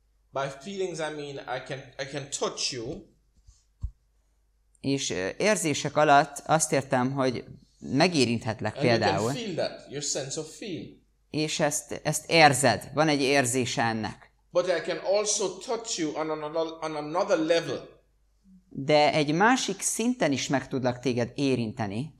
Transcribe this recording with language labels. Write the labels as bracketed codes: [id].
[en] By feelings I mean I can touch you. [hu] És érzések alatt azt értem, hogy megérinthetlek például. [en] You can feel that, your sense of feel. [hu] És ezt érzed, van egy érzése ennek. [en] But I can also touch you on another level. [hu] De egy másik szinten is meg tudlak téged érinteni.